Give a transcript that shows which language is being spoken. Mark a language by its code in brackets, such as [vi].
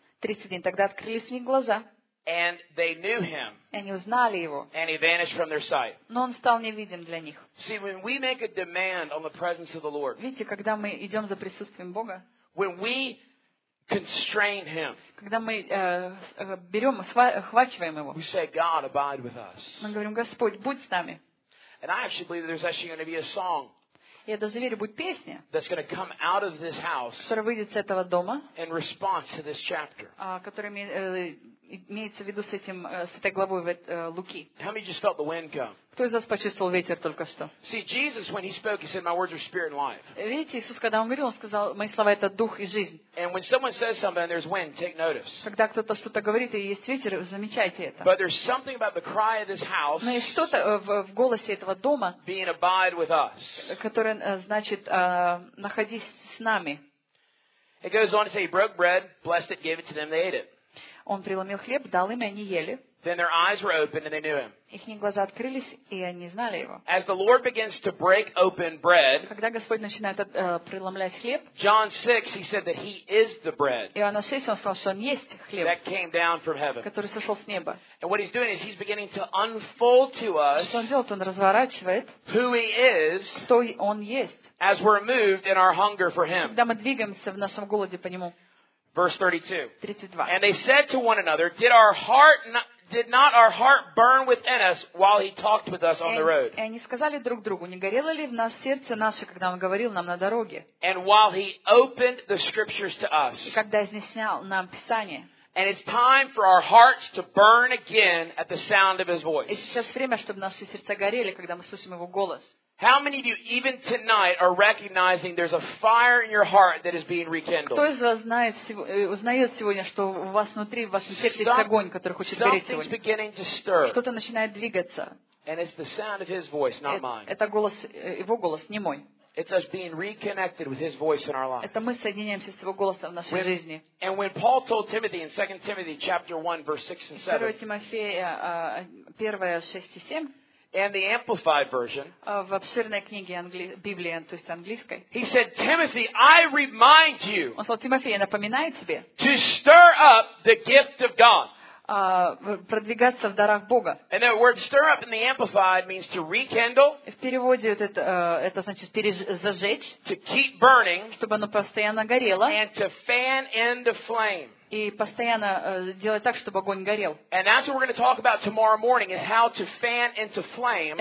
[ru] 31. Тогда открылись у них глаза. [en] And they knew him. [ru] Они узнали его. [en] And he vanished from their sight. [ru] Но он стал невидим для них. [en] See, when we make a demand on the presence of the Lord. [ru] Видите, когда мы идём за присутствием Бога? [en] When we constrain him. [ru] Когда мы берём, схватываем его. [en] We say, God, abide with us. [ru] Мы говорим: Господь, будь с нами. [en] And I actually believe that there's actually going to be a song. [ru] Я даже верю, будет песня, [en] that's going to come out of this house, [ru] которая выйдет с этого дома, [en] in response to this chapter. [ru] Которая имеется в виду с этим, с этой главой Луки. [en] How many just felt the wind come? [ru] Кто из вас почувствовал ветер только что? [en] See, Jesus, when he spoke, he said, "My words are spirit and life." [ru] Видите, Иисус, когда он говорил, он сказал: "Мои слова — это дух и жизнь." [en] And when someone says something, there's wind. Take notice. [ru] Когда кто-то что-то говорит и есть ветер, замечайте это. [en] But there's something about the cry of this house. [ru] Но есть что-то в голосе этого дома. [en] Being abide with us. [ru] Которое значит находись с нами. [en] It goes on to say, he broke bread, blessed it, gave it to them, they ate it. [ru] Он преломил хлеб, дал им, и они ели. [en] Then their eyes were opened and they knew him. [ru] Их глаза открылись, и они знали его. [en] As the Lord begins to break open bread. [ru] Когда Господь начинает преломлять хлеб. [en] John 6, he said that he is the bread. [ru] Иоанна 6, он сказал, что он есть хлеб. [en] That came down from heaven. [ru] Который сошел с неба. [en] And what he's doing is he's beginning to unfold to us. [ru] Что он делает? Он разворачивает. [en] Who he is. [ru] Кто он есть. [en] As we're moved in our hunger for him. [ru] Когда мы двигаемся в нашем голоде по нему. [en] Verse 32. [ru] 32. [en] And they said to one another, did our heart not Did not our heart burn within us while he talked with us on the road? [ru] И они сказали друг другу: не горело ли в нас сердце наше, когда он говорил нам на дороге? [en] And while he opened the scriptures to us. [ru] И когда изъяснял нам Писание. [en] And it's time for our hearts to burn again at the sound of his voice. [ru] И сейчас время, чтобы наши сердца горели, когда мы слышим его голос. [en] How many of you even tonight are recognizing there's a fire in your heart that is being rekindled? [ru] Кто из вас знает, узнает сегодня, что у вас внутри, в вашем сердце есть огонь, который хочет гореть сегодня? [en] Something's beginning to stir. [ru] Что-то начинает двигаться. [en] And it's the sound of his voice, not mine. [ru] Это голос, его голос, не мой. [en] It's us being reconnected with his voice in our life. [ru] Это мы соединяемся с его голосом в нашей жизни. [en] And when Paul told Timothy in 2 Timothy chapter 1 verse 6 and 7. [ru] 2 Тимофея 1 6 и 7. [en] And the amplified version. [ru] В обширной книге Библии, то есть английской. [en] He said, "Timothy, I remind you." [ru] Он сказал: Тимофей, я напоминаю тебе. [en] To stir up the gift of God. [ru] Продвигаться в дарах Бога. [en] And that word "stir up" in the amplified means to rekindle. [ru] В переводе это значит перезажечь. [en] To keep burning. [ru] Чтобы оно постоянно горело. [en] And to fan in the flame. [ru] И постоянно делать так, чтобы огонь горел. [en] And that's what we're going to talk about tomorrow morning is how to fan into flame.